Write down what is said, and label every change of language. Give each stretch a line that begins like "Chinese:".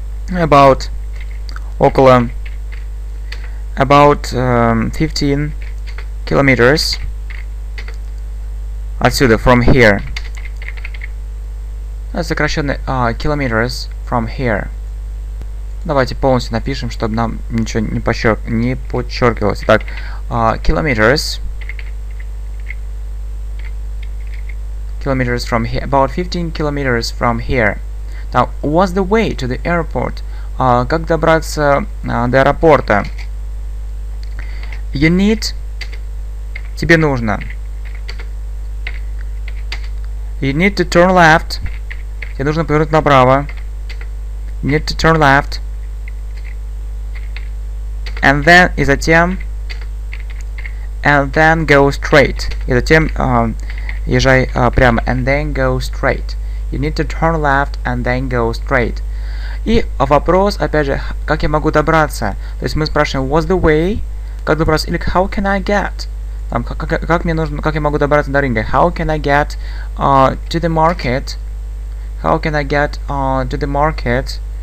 English: About 15 kilometers
Russian: отсюда,
English: from here.
Russian: Сокращенный
English: kilometers from here.
Russian: Давайте полностью напишем, чтобы нам ничего не подчеркивалось.
English: Итак, kilometers from here, about 15 kilometers from here. Now, what's the way to the airport?
Russian: Как добраться до аэропорта? Тебе нужно.
English: You need to turn left.
Russian: Тебе нужно повернуть направо.
English: You need to turn left. And then,
Russian: и затем,
English: and then go straight.
Russian: И затем езжай прямо.
English: And then go straight. You need to turn left and then go straight.
Russian: И вопрос, опять же, как я могу добраться? То есть мы спрашиваем,
English: what's the way?
Russian: Как добраться? Или
English: how can I get?
Russian: Как мне нужно, как я могу добраться до рынка?
English: How can I get to the market? How can I get to the market?